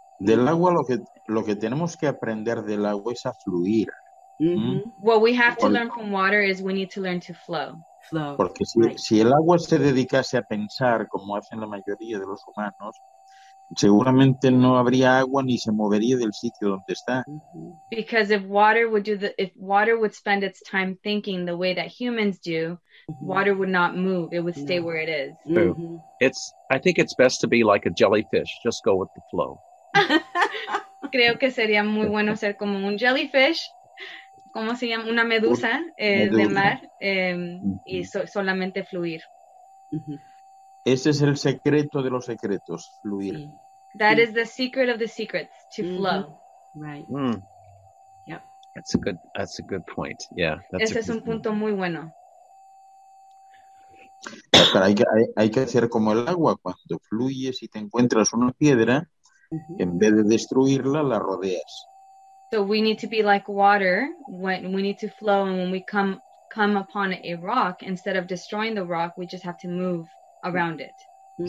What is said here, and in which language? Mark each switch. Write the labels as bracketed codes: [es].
[es] Del agua, lo que tenemos que aprender del agua es a fluir. [en] Mm-hmm. What we have to learn from water is we need to learn to flow. [es] Porque si el agua se dedicase a pensar, como hacen la mayoría de los humanos, seguramente no habría agua ni se movería del sitio donde está. [en] Because if water would spend its time thinking the way that humans do, water would not move. It would stay where it is. Mm-hmm. I think it's best to be like a jellyfish. Just go with the flow. [es] Creo que sería muy bueno ser como un jellyfish. ¿Cómo se llama? Una medusa, medusa. De mar, uh-huh. Y solamente fluir. Uh-huh. Ese es el secreto de los secretos, fluir. Sí. [en] That is the secret of the secrets, to flow. Right. Mm. Yep. That's a good point, yeah. [es] Ese es un punto muy bueno. Pero hay que hacer como el agua, cuando fluyes y te encuentras una piedra, uh-huh. En vez de destruirla, la rodeas. [en] So we need to be like water when we need to flow, and when we come upon a rock, instead of destroying the rock, we just have to move around it.